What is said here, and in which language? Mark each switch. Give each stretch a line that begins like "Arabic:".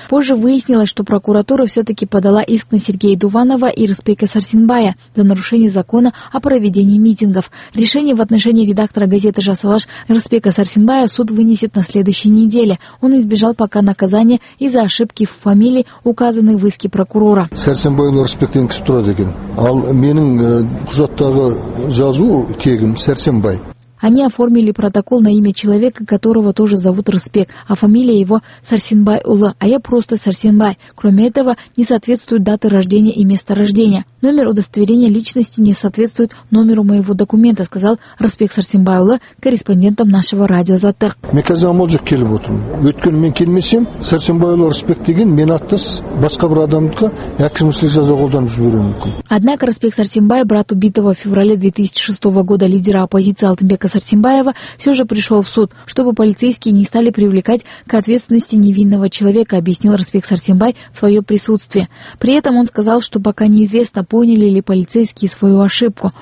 Russian: Позже выяснилось, что прокуратура все-таки подала иск на Сергея Дуванова и Рысбека Сарсенбая за нарушение закона о проведении митингов. Решение в отношении редактора газеты «Жасалаш» Рысбека Сарсенбая суд вынесет на следующей неделе. Он избежал пока наказания из-за ошибки в фамилии, указанной в иске прокурора.
Kazakh: Сарсенбай Рысбектен Кистрадекен. Ал менің құжаттағы жазу тегім Сарсенбай.
Russian: Они оформили протокол на имя человека, которого тоже зовут Рысбек, а фамилия его Сарсенбайұлы, а я просто Сарсенбай. Кроме этого, не соответствуют даты рождения и места рождения. Номер удостоверения личности не соответствует номеру моего документа, сказал Рысбек Сарсенбайұлы корреспондентам нашего радио «Затык».
Kazakh: Мен қазір амалжық келіп отырмын. Өйткені мен келмесем, Сарсенбайұлы Рысбек деген мен атты басқа бір адамға әкімшілік жаза қолданып жіберуі мүмкін.
Russian: Однако Рысбек Сарсенбай, брат убитого в феврале 2006 года лидера оппозиции Алтынбек Касартимбаева, все же пришел в суд, чтобы полицейские не стали привлекать к ответственности невинного человека, объяснил Рысбек Сарсенбай свое присутствие. При этом он сказал, что пока неизвестно, поняли ли полицейские свою ошибку.